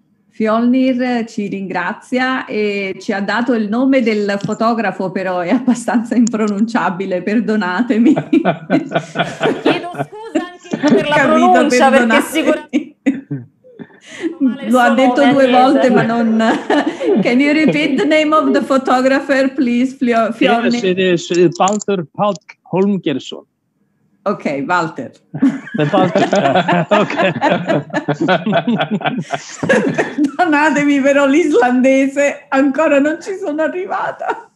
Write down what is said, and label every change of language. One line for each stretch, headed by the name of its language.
Italian: Fjolnir ci ringrazia e ci ha dato il nome del fotografo, però è abbastanza impronunciabile, perdonatemi. Chiedo scusa anche per la pronuncia, perché sicuramente non vale. Lo ha detto due volte, ma non...
English: Can you repeat the name of the photographer, please, Fjolnir? Yes, it is Walter Holmgersson. Ok, Walter.
Italian: Perdonatemi, però l'islandese ancora non ci sono arrivata.